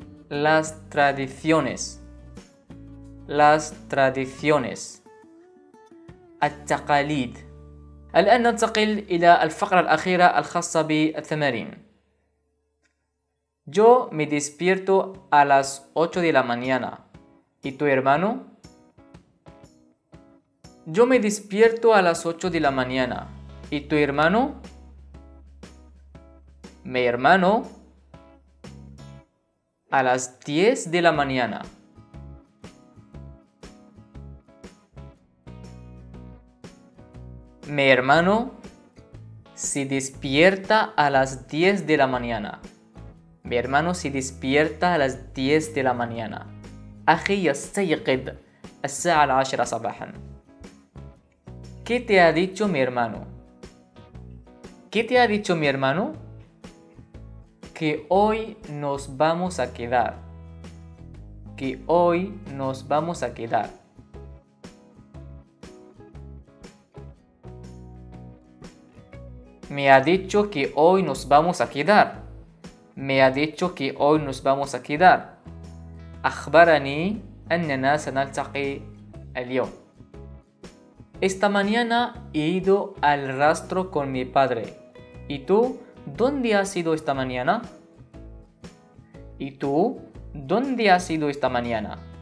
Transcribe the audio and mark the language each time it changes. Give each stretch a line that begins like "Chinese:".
Spanish: Las tradiciones, las tradiciones.
Arabic: التقاليد. الآن ننتقل إلى الفقرة الأخيرة الخاصة بالتمارين.
Spanish: Yo me despierto a las 8 de la mañana. ¿Y tu hermano? Yo me despierto a las 8 de la mañana. ¿Y tu hermano? Mi hermano a las 10 de la mañana. Mi hermano se despierta a las 10 de la mañana. Mi hermano se despierta a las 10 de la mañana.
Arabic: أخي يستيقظ الساعة العاشرة صباحا.
Spanish: ¿Qué te ha dicho mi hermano? ¿Qué te ha dicho mi hermano? Que hoy nos vamos a quedar. Que hoy nos vamos a quedar. Me ha dicho que hoy nos vamos a quedar. Me ha dicho que hoy nos vamos a quedar.
Arabic: أخبرني أننا سنلتقي اليوم.
Spanish: Esta mañana he ido al rastro con mi padre. ¿Y tú dónde has ido esta mañana? ¿Y tú dónde has ido esta mañana?